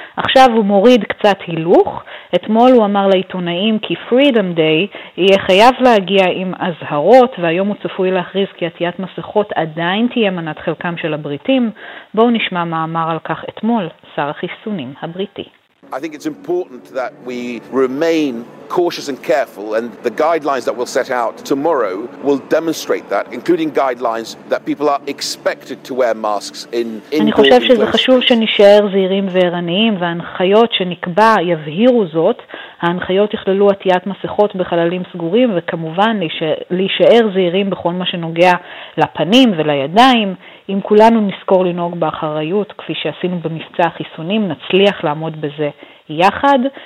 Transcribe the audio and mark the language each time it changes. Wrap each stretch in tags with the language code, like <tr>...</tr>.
<he>עכשיו הוא מוריד קצת הילוך. אתמול הוא אמר לעיתונאים כי Freedom Day יהיה חייב להגיע עם אזהרות, והיום הוא צפוי להכריז כי עטיית מסכות עדיין תהיה מנת חלקם של הבריטים. בואו נשמע מה אמר על כך אתמול שר החיסונים הבריטי.</he> <en>I think it's important that we remain cautious and careful, and the guidelines that we'll set out tomorrow will demonstrate that, including guidelines that people are expected to wear masks in</en> <he>in אני חושב שזה חשוב שנשאר זהירים וערניים, והנחיות שנקבע יבהירו זאת. ההנחיות יכללו עטיית מסכות בחללים סגורים, וכמובן להישאר זהירים בכל מה שנוגע לפנים ולידיים. אם כולנו נזכור לנהוג באחריות, כפי שעשינו במבצע החיסונים, נצליח לעמוד בזה יחד.</he>